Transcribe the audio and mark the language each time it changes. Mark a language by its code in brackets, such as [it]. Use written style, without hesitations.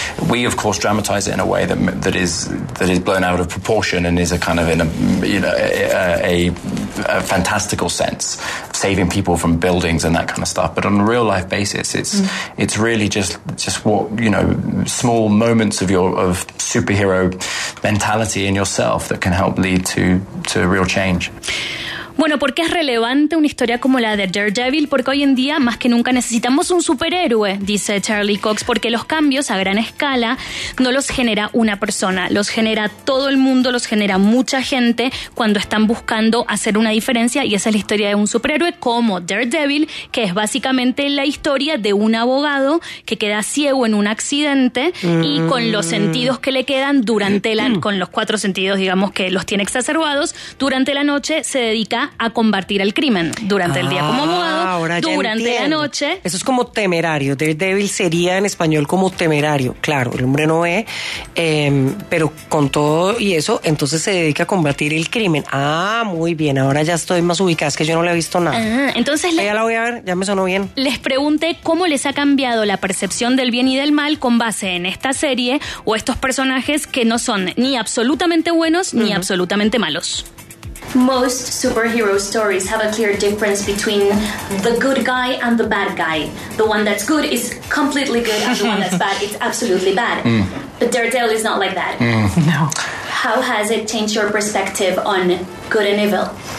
[en] We, of course, dramatize it in a way that is blown out of proportion and is a kind of a fantastical sense, saving people from buildings and that kind of stuff. But on a real life basis, it's really just what, you know, small moments of superhero mentality in yourself that can help lead to real change. [es] Bueno, ¿por qué es relevante una historia como la de Daredevil? Porque hoy en día, más que nunca, necesitamos un superhéroe, dice Charlie Cox, porque los cambios a gran escala no los genera una persona, los genera todo el mundo, los genera mucha gente cuando están buscando hacer una diferencia, y esa es la historia de un superhéroe como Daredevil, que es básicamente la historia de un abogado que queda ciego en un accidente y con los sentidos que le quedan durante la... con los cuatro sentidos, digamos, que los tiene exacerbados, durante la noche se dedica a combatir el crimen durante el día como abogado, durante la noche. Eso es como temerario. Daredevil sería en español como temerario. Claro, el hombre no ve, pero con todo y eso, entonces se dedica a combatir el crimen. Ah, muy bien, ahora ya estoy más ubicada, es que yo no le he visto nada. Entonces ya la voy a ver, ya me sonó bien. Les pregunté cómo les ha cambiado la percepción del bien y del mal con base en esta serie o estos personajes que no son ni absolutamente buenos ni absolutamente malos. [en] Most superhero stories have a clear difference between the good guy and the bad guy. The one that's good is completely good, and the one that's bad is absolutely bad. But Daredevil is not like that. [es] No. [en] How has it changed your perspective on good and evil?